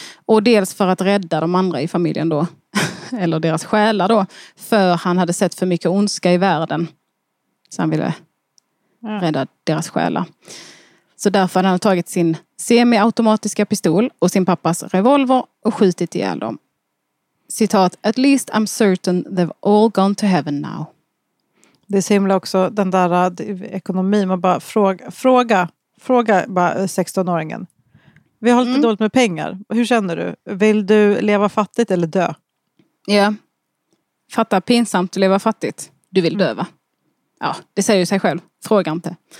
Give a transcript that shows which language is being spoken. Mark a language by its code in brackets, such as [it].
[sv] Och dels för att rädda de andra i familjen då. Eller deras själar då. För han hade sett för mycket ondska i världen. Så han ville rädda deras själar. Så därför hade han tagit sin semiautomatiska pistol och sin pappas revolver och skjutit ihjäl dem. [en] Citat, at least I'm certain they've all gone to heaven now. [sv] Det är så himla också den där ekonomin. Man bara fråga bara 16-åringen. Vi har lite dåligt med pengar. Hur känner du? Vill du leva fattigt eller dö? Ja. Yeah. Fatta pinsamt att leva fattigt. Du vill dö, va? Ja, det säger ju sig själv. Fråga inte.